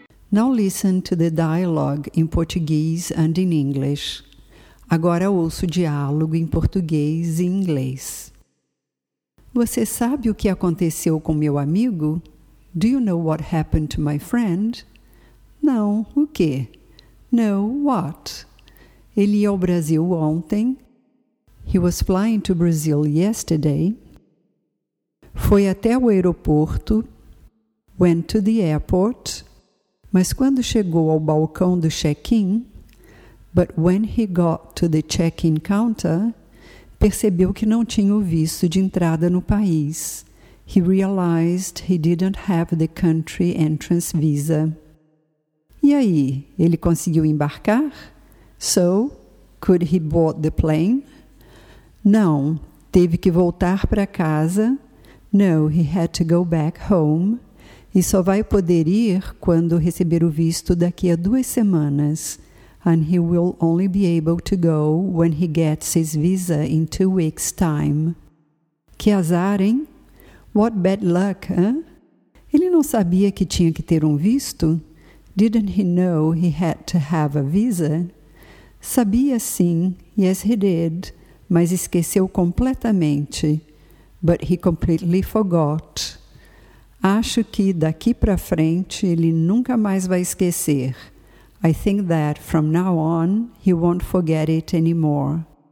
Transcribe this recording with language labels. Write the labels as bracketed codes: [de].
[en] Now listen to the dialogue in Portuguese and in English. [pt] Agora ouça o diálogo em português e inglês. Você sabe o que aconteceu com meu amigo? [en] Do you know what happened to my friend? [pt] Não, o quê? [en] No, what? [pt] Ele ia ao Brasil ontem. [en] He was flying to Brazil yesterday. [pt] Foi até o aeroporto. [en] Went to the airport. [pt] Mas quando chegou ao balcão do check-in, [en] but when he got to the check-in counter, [pt] percebeu que não tinha o visto de entrada no país. [en] He realized he didn't have the country entrance visa. [pt] E aí, ele conseguiu embarcar? [en] So, could he board the plane? [pt] Não, teve que voltar para casa. [en] No, he had to go back home. [pt] E só vai poder ir quando receber o visto daqui a 2 semanas. [en] And he will only be able to go when he gets his visa in 2 weeks' time. [pt] Que azar, hein? [en] What bad luck, hein? [pt] Ele não sabia que tinha que ter um visto? [en] Didn't he know he had to have a visa? [pt] Sabia sim, [en] yes he did, [pt] mas esqueceu completamente. [en] But he completely forgot. [pt] Acho que daqui para frente ele nunca mais vai esquecer. [en] I think that from now on he won't forget it anymore.